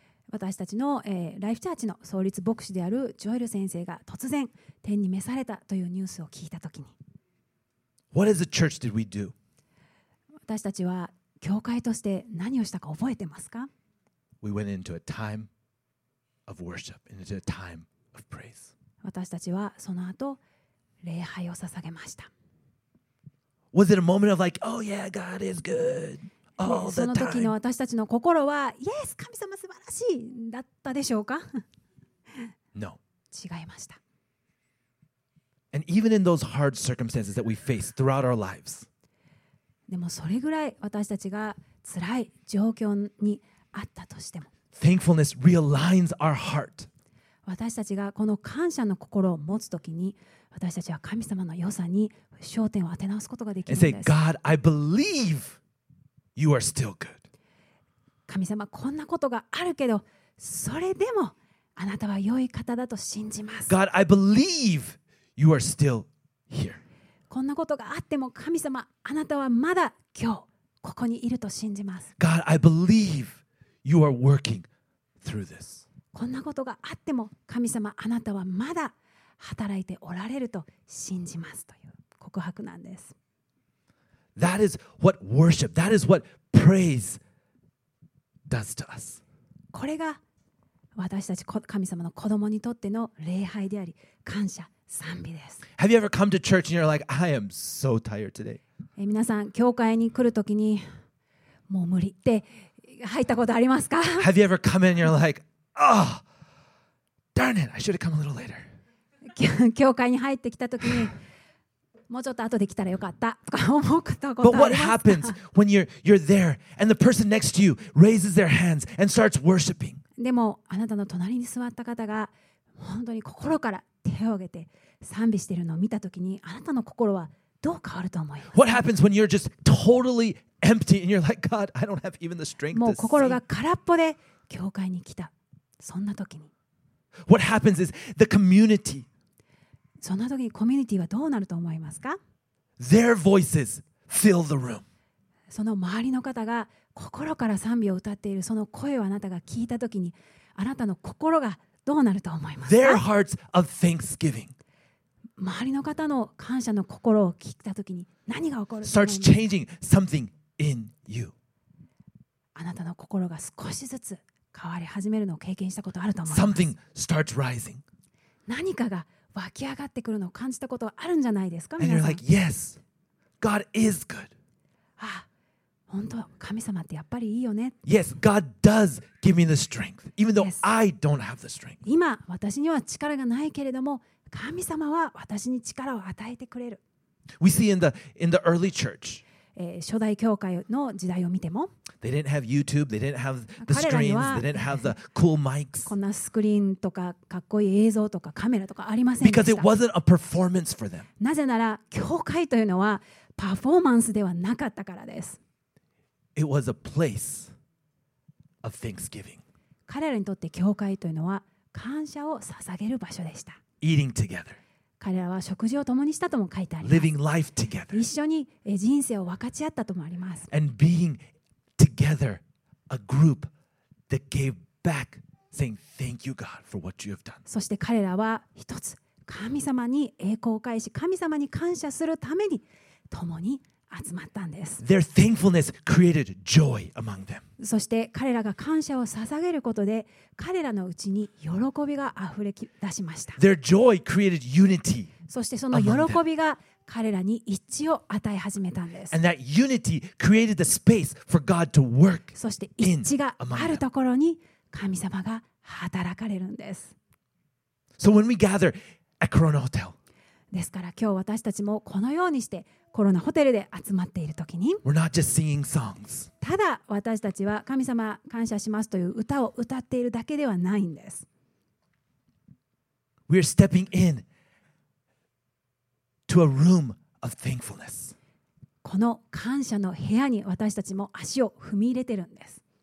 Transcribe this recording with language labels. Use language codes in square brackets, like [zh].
[ja] 私たちの、Life Church の創立牧師であるジョエル先生が突然天に召されたというニュースを聞いたときに。 [en] What as a church did we do? [ja] 私たちは教会として何をしたか覚えてますか? [en] We went into a time of worship, into a time of praise. [ja] 私たちはその後礼拝を捧げました。 [en] Was it a moment of like, oh yeah, God is good all the time? [ja] その時の私たちの心は、 [en] Yes, [ja] 神様素晴らしいだったでしょうか [en] ？No. [ja] 違いました。 [en] And even in those hard circumstances that we face throughout our lives. [ja] でもそれぐらい私たちが辛い状況にあったとしても、 [en] Thankfulness realigns our heart. [ja] 私たちがこの感謝の心を持つときに、私たちは神様の良さに焦点を当て直すことができるんです。 [en] And say, God, I believe you are still good. [ja] 神様、こんなことがあるけど、それでもあなたは良い方だと信じます。 [en] God, I believe you are still here. [ja] こんなことがあっても、神様、あなたはまだ今日ここにいると信じます。 [en] God, I believe you are working through this. [ja] こんなことがあっても神様あなたはまだ働いておられると信じますという告白なんです。 [en] That is what worship, that is what praise does to us. [ja] これが私たち神様の子供にとっての礼拝であり感謝賛美です。 [en] Have you ever come to church and you're like, I am so tired today? [ja] 皆さん教会に来るときにもう無理って入ったことありますか [en] ？Have you ever come in and you're like Oh, darn it! I should have come a little later. [ja] 教会に入ってきた時にもうちょっと後で来たらよかったとか思うことがありますか? [en] But what happens when you're there and the person next to you raises their hands and starts worshiping? [ja] でもあなたの隣に座った方が本当に心から手を挙げて賛美しているのを見た時にあなたの心はどう変わると思います? [en] What happens when you're just totally empty and you're like, God, I don't have even the strength to sing? [ja] もう心が空っぽで教会に来た。そんな時に、 [en] What happens is the community. [ja] そんな時にコミュニティはどうなると思いますか? [en] Their voices fill the room. [ja] その周りの方が心から賛美を歌っているその声をあなたが聞いた時に、あなたの心がどうなると思いますか? [en] Their hearts of thanksgiving. [ja] 周りの方の感謝の心を聞いた時に何が起こる? [en] Starts changing something in you. [ja] あなたの心が少しずつ変わり始めるのを経験したことあると思います [en] 。 Something starts rising. [ja] 何かが湧き上がってくるのを感じたことあるんじゃないですか、皆さん。 [en] And you're like, yes, God is good. [ja] あ、本当、神様ってやっぱりいいよね。 [en] Yes, God does give me the strength, even though I don't have the strength. [ja] 今、私には力がないけれども、神様は私に力を与えてくれる。 [en] We see in the early church. [ja] 初代教会の時代を見ても、 [en] they didn't have YouTube, they didn't have the screens, they didn't have the cool mics. [ja] こんなスクリーンとかかっこいい映像とかカメラとかありませんでした。 [en] Because it wasn't a performance for them. [ja] なぜなら教会というのはパフォーマンスではなかったからです。 [en] It was a place of thanksgiving. [ja] 彼らにとって教会というのは感謝を捧げる場所でした。 [en] Eating together. [ja] 彼らは食事を共にしたとも書いてあります。 [en] Living life together. [ja] 一緒に人生を分かち合ったともあります。 [en] And being together, a group that gave back, saying thank you, God, for what you have done. [ja] そして彼らは一つ、神様に栄光を返し、神様に感謝するために共に集まったんです。 [en] Their thankfulness created joy among them. [ja] そして彼らが感謝を捧げることで、彼らのうちに喜びが溢れ出しました。 [en] Their joy created unity. [ja] そしてその喜びが彼らに一致を与え始めたんです。 [en] And that unity created the space for God to work. [ja] そして一致があるところに神様が働かれるんです。 [en] So when we gather at Corona Hotel. [ja] ですから今日私たちもこのようにしてコロナホテルで集まっているときに、 [en] We're not just singing songs. [ja] ただ私たちは神様感謝しますという歌を歌っているだけではないんです。 [en] We're stepping in to a room of thankfulness. [ja] この感謝の部屋に私たちも足を踏み入れてるんです。